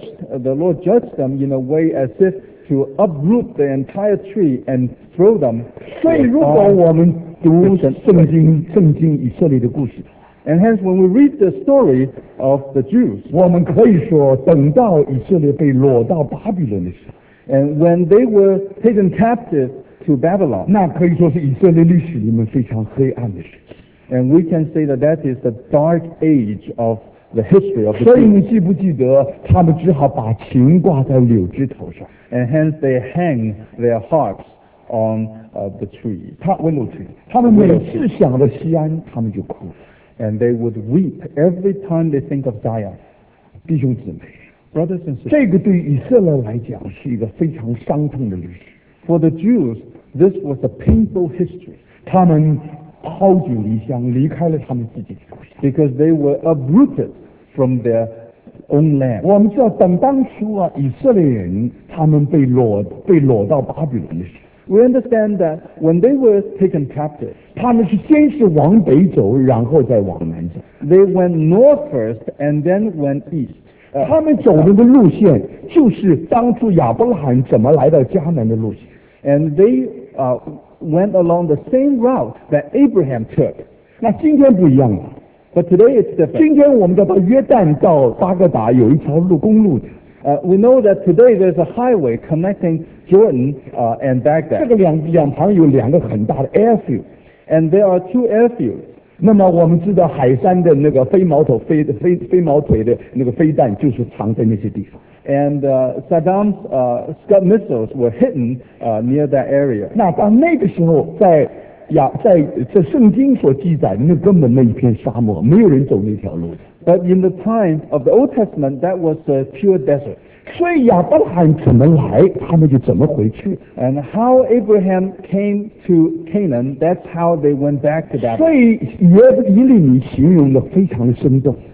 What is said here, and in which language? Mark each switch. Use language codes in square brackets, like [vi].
[en] And the Lord judged them in a way as if to uproot the entire tree and throw them. [zh] 所以如果我们读圣经以色列的故事， [en] and hence when we read the story of the Jews, [zh] 我们可以说等到以色列被掳到巴比伦的时候， [en] and when they were taken captive to Babylon, [zh] 那可以说是以色列历史里面非常黑暗的时期。 [en] And we can say that that is the dark age of the history of the [zh] 所以你记不记得他们只好把琴挂在柳枝头上， [en] and hence they hang their harps on the tree, window tree. [zh] 他们每次想到西安他们就哭。 [en] And they would weep every time they think of Zion. [zh] 弟兄姊妹， [en] brothers and sisters, [zh] 这个对以色列来讲是一个非常伤痛的历史。 [en] For the Jews, this was a painful history. [zh] 他们抛举离乡，离开了他们自己的故乡。 [en] Because they were uprooted from their own land. [zh] 我们知道等当初啊，以色列人他们被掳到巴比伦的时候， [en] We understand that when they were taken captive, [zh] 他们是先是往北走，然后再往南走。 [en] They went north first and then went east. [zh] 他们走的路线就是当初亚伯拉罕怎么来到迦南的路线。 [en] And they went along the same route that Abraham took. [zh] 那今天不一样了。 [en] But today it's different. [zh] 今天我们到约旦到巴格达有一条路公路的。 [en] We know that today there's a highway connecting Jordan and Baghdad. [zh] 这个两旁有两个很大的 airfield. [en] And there are two airfields. [zh] 那么我们知道海山的那个飞毛腿的那个飞弹就是藏在那些地方。 [en] And Saddam's Scud missiles were hidden near that area. [zh] 那到那个时候在圣经所记载那根本那一片沙漠没有人走那条路的。 [en] But in the time of the Old Testament, that was a pure desert. [zh] 所以亚伯拉罕怎么来，他们就怎么回去。 [en] And how Abraham came to Canaan, that's how they went back to that. [zh] 所以以利米形容的非常的生动。